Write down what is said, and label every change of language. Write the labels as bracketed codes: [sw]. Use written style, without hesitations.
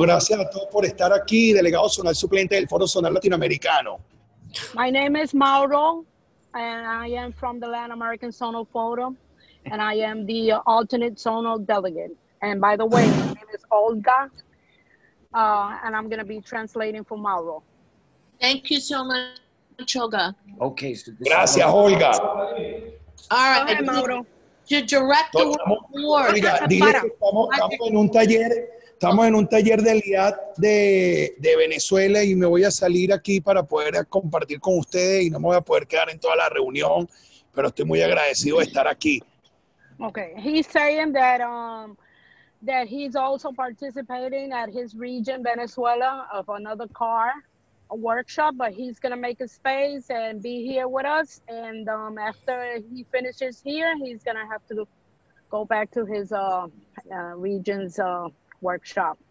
[es] Gracias a todos por estar aquí, delegado zonal suplente del Foro Zonal Latinoamericano. [en] My name is Mauro, and I am from the Latin American Zonal Forum, and I am the alternate zonal delegate. And by the way, my name is Olga, and I'm going to be translating for Mauro. Thank you so much, Olga. Okay. So [es] gracias, is... Olga. [en] All right, okay, Mauro. To direct [es] estamos en un taller de LIAT de Venezuela y me voy a salir aquí para poder compartir con ustedes y no me voy a poder quedar en toda la reunión, pero estoy muy agradecido de estar aquí. [en] Okay, he's saying that that he's also participating at his region, Venezuela, of another car, a workshop, but he's going to make a space and be here with us. And after he finishes here, he's going to have to go back to his region's workshop.